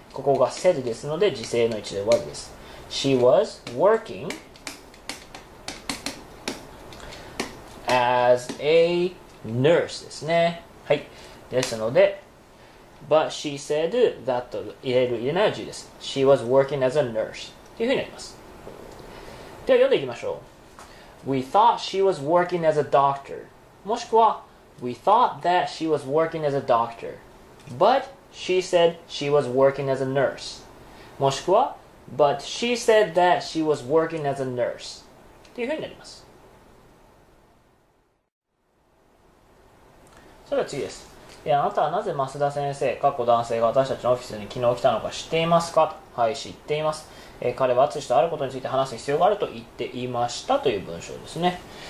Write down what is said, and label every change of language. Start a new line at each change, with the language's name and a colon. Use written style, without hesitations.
Japanese: ここが said ですので、時制の位置で was です。
English: She was working as a nurse
Japanese: ですね。はい。ですので、
English: But she said that
Japanese: と入れる入れないは自由です。
English: She was working as a nurse
Japanese: というふうになります。では読んでいきましょう。
English: We thought she was working as a doctor。
Japanese: もしくは、
English: We thought that she was working as a doctor。 But she said she was working as a nurse。
Japanese: もしくは、
English: But she said that she was working as a nurse。
Japanese: というふうになります。それでは次です。いや、あなたはなぜ増田先生、かっこ男性が私たちのオフィスに昨日来たのか知っていますか？はい、知っています。彼は淳とあることについて話す必要があると言っていましたという文章ですね。